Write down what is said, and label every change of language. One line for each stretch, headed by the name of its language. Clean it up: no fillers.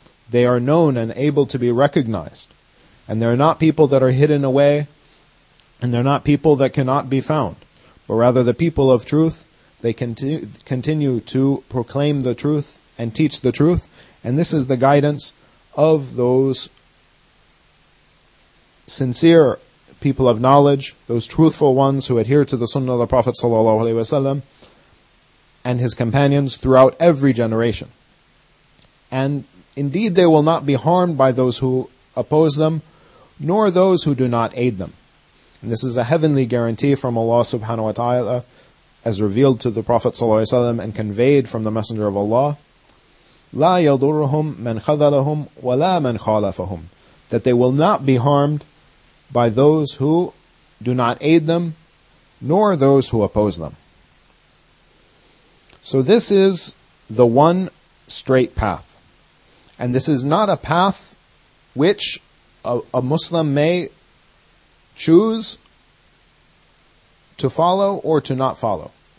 English: They are known and able to be recognized. And they're not people that are hidden away, and they're not people that cannot be found, but rather the people of truth, they continue to proclaim the truth and teach the truth, and this is the guidance of those sincere people of knowledge, those truthful ones who adhere to the Sunnah of the Prophet ﷺ and his companions throughout every generation. And indeed they will not be harmed by those who oppose them, nor those who do not aid them. And this is a heavenly guarantee from Allah subhanahu wa ta'ala, as revealed to the Prophet ﷺ and conveyed from the Messenger of Allah.
Arabic: لا يضرهم من خذلهم ولا من خالفهم.
English: That they will not be harmed by those who do not aid them, nor those who oppose them. So this is the one straight path. And this is not a path which a Muslim may choose to follow or to not follow.